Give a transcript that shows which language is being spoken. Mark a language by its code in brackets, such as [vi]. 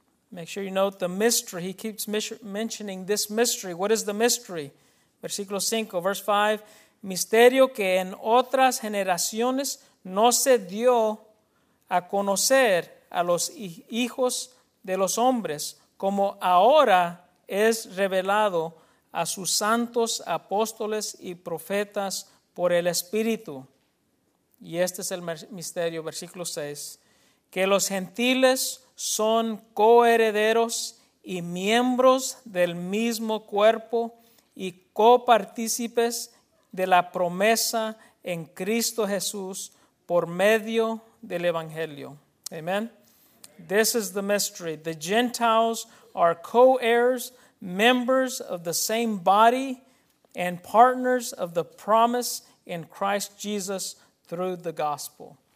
[en] Make sure you note the mystery. He keeps mentioning this mystery. What is the mystery? [es] Versículo 5, [en] verse 5. [es] Misterio que en otras generaciones no se dio a conocer a los hijos de los hombres, como ahora es revelado a sus santos apóstoles y profetas por el Espíritu. Y este es el misterio, versículo 6. Que los gentiles son coherederos y miembros del mismo cuerpo y copartícipes de la promesa en Cristo Jesús por medio del Evangelio. [en] Amen. This is the mystery. The Gentiles are co-heirs, members of the same body, and partners of the promise in Christ Jesus through the gospel.